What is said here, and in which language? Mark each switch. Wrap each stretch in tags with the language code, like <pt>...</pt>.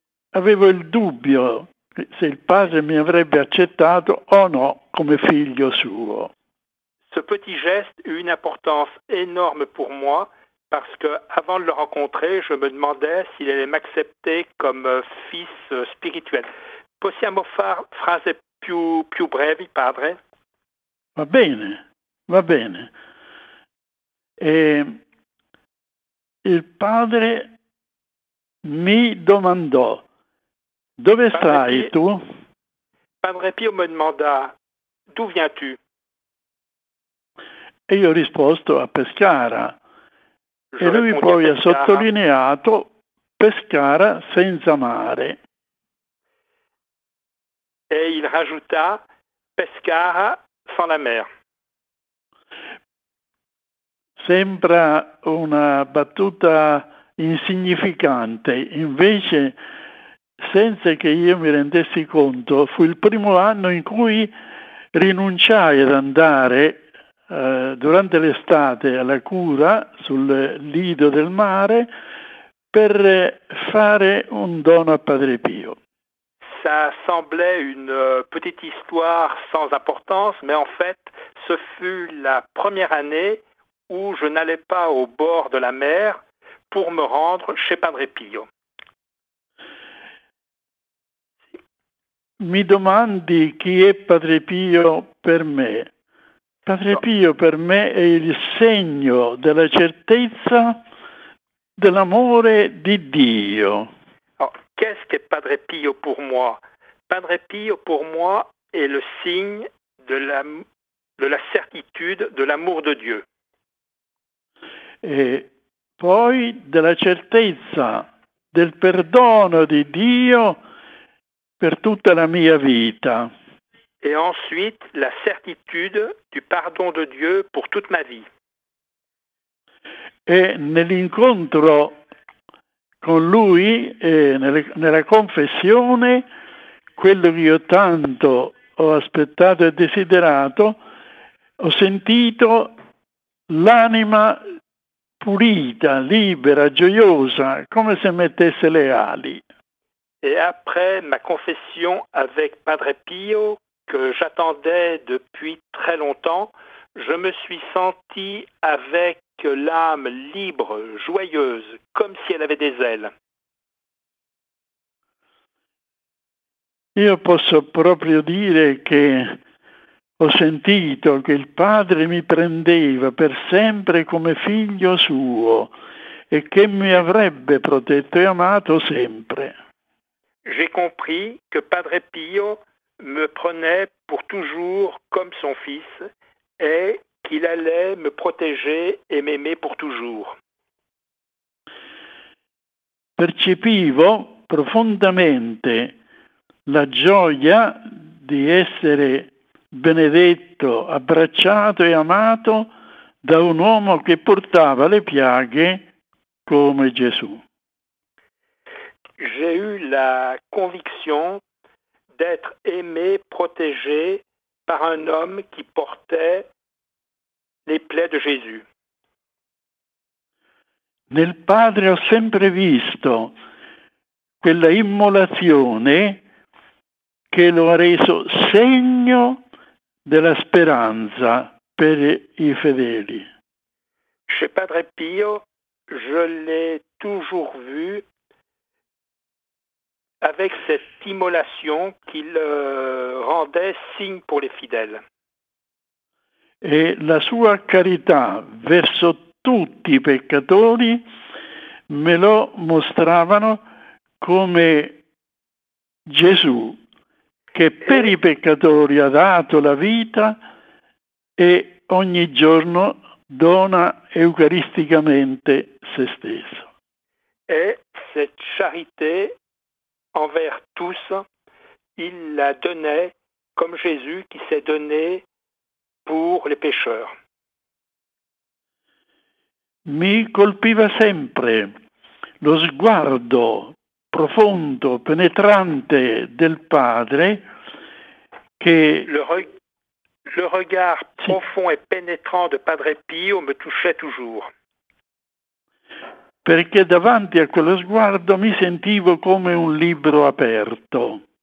<it>avevo il dubbio se il padre mi avrebbe accettato o no come figlio suo.</it> <fr>Ce petit geste eut une importance énorme pour moi parce que avant de le rencontrer, je me demandais s'il allait m'accepter comme fils spirituel.</fr> <it>Possiamo fare frasi più brevi, padre? Va bene, va bene. E il padre mi domandò: dove stai tu?</it> <fr>Padre Pio me demanda: d'où viens-tu?</fr> <it>E io ho risposto: a Pescara. E lui poi ha sottolineato: Pescara senza mare.</it> <fr>E il rajouta: Pescara sans la mer.</fr> <it>Sembra una battuta insignificante, invece, senza che io mi rendessi conto, fu il primo anno in cui rinunciai ad andare durante l'estate alla cura sul lido del mare per fare un dono a Padre Pio.</it> <fr>Ça semblait une petite histoire sans importance, mais en fait, ce fut la première année où je n'allais pas au bord de la mer pour me rendre chez Padre Pio.</fr> <it>Mi domandi chi è Padre Pio per me. Padre Pio per me è il segno della certezza dell'amore di Dio.</it> <fr>Qu'est-ce que Padre Pio pour moi? Padre Pio pour moi est le signe de la certitude de l'amour de Dieu.</fr> <it>Et poi della certezza del perdono di Dio per tutta la mia vita.</it> <fr>Et ensuite la certitude du pardon de Dieu pour toute ma vie.</fr> <it>Et nell'incontro con lui e nella confessione, quello che io tanto ho aspettato e desiderato, ho sentito l'anima pulita, libera, gioiosa, come se mettesse le ali.</it> <fr>E après ma confession avec Padre Pio, que j'attendais depuis très longtemps, je me suis senti avec l'âme libre, joyeuse, comme si elle avait des ailes.</fr> <it>Io posso proprio dire che ho sentito che il padre mi prendeva per sempre come figlio suo e che mi avrebbe protetto e amato sempre.</it> <fr>J'ai compris que Padre Pio me prenait pour toujours comme son fils et qu'il allait me protéger et m'aimer pour toujours.</fr> <it>Percepivo profondamente la gioia di essere benedetto, abbracciato e amato da un uomo che portava le piaghe come Gesù.</it> <fr>J'ai eu la conviction d'être aimé, protégé par un homme qui portait les plaies de Jésus.</fr> <it>Nel padre ho sempre visto quella immolazione che lo ha reso segno della speranza per i fedeli.</it> <fr>Chez Padre Pio, je l'ai toujours vu avec cette immolation qu'il rendait signe pour les fidèles.</fr> <it>E la sua carità verso tutti i peccatori me lo mostravano come Gesù che per i peccatori ha dato la vita e ogni giorno dona eucaristicamente se stesso.</it> <fr>E cette charité envers tous, il la donnait comme Jésus qui s'est donné pour les pécheurs.</fr> <it>Mi colpiva sempre lo sguardo profondo, penetrante del padre che</it> <fr>le regard profond et pénétrant de Padre Pio me touchait toujours.</fr> <it>perché davanti a quello sguardo mi sentivo come un libro aperto.</it>